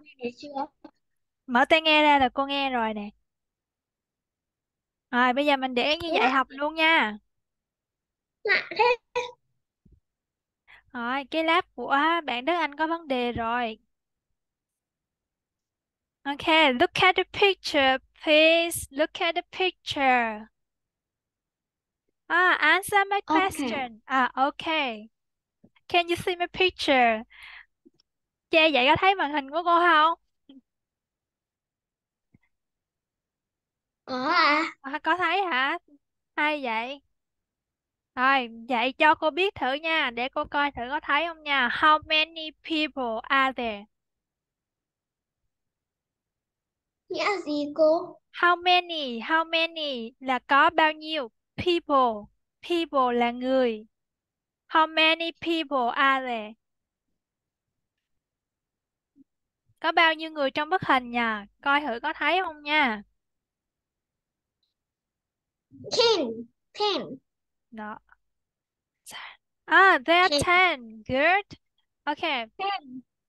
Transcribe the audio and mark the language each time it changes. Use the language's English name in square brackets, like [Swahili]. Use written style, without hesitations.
[Vietnamese] nghe thấy chưa? mở tai nghe ra là cô nghe rồi nè. Rồi, bây giờ mình để như vậy học luôn nha. Lạ thế. Rồi, cái lab của bạn Đức Anh có vấn đề rồi. [English] Ok, look at the picture, please. Look at the picture. Answer my Ok. question. Ok. Can you see my picture? [Vietnamese] Che vậy có thấy màn hình của cô không? Có à? Có thấy hả? Hay vậy. Rồi, vậy cho cô biết thử nha. Để cô coi thử có thấy không nha. [English] How many people are there? How [Vietnamese] Nghĩa gì cô? [English] many? How many [Vietnamese] là có bao nhiêu? People. People là người. [English] How many people are there? [Vietnamese] Có bao nhiêu người trong bức hình nha? Coi thử có thấy không nha. [English] Ten, [Vietnamese] Đó. [English] There ten, are 10. Good. Okay. ten,